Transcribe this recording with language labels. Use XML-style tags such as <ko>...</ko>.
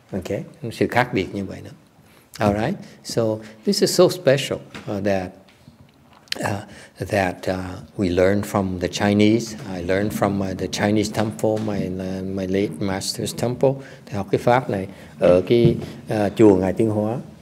<vi>Okay, sự khác biệt như vậy đó.</vi> <en>All right. So this is so special that we learn from the Chinese. I learned from the Chinese temple, my late master's temple.</en> <vi>Thì học cái pháp này ở cái chùa Ngài Tiên Hóa.</vi>